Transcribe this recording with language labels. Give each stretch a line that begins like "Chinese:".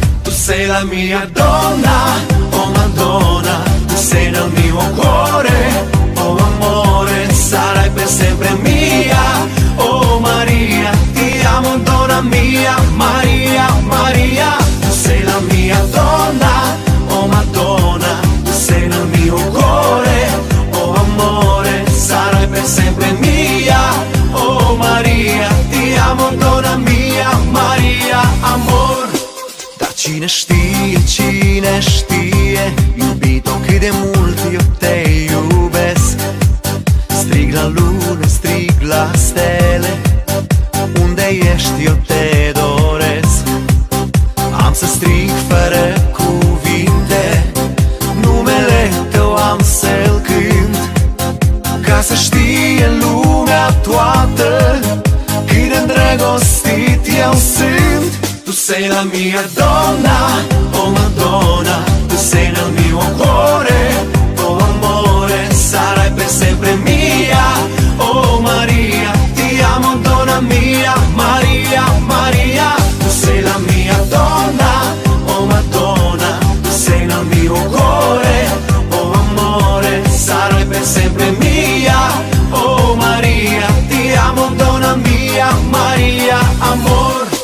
Italian: sei la mia donna, oh Madonna, tu sei nel mio cuore, oh amore, sarai per sempre mia, oh Maria, ti amo donna mia, Maria, Maria, tu sei la mia donna, oh Madonna, tu sei nel mio cuore, oh amore, sarai per sempre mia, oh Maria, ti amo donna mia, Maria, amor.
Romanian: Cine știe, cine știe, iubito cât de mult eu te iubesc. Strig la lună, strig la stele, unde ești eu te doresc. Am să strig fără cuvinte, numele tău am să-l cânt. Ca să știe lumea toată, cât de îndrăgostit eu sunt.
Italian: Tu sei la mia donna, oh Madonna, tu sei nel mio cuore, oh amore, sarai per sempre mia, oh Maria, ti amo donna mia, Maria, Maria. Tu sei la mia donna, oh Madonna, tu sei nel mio cuore, oh amore, sarai per sempre mia, oh Maria, ti amo donna mia, Maria, amor.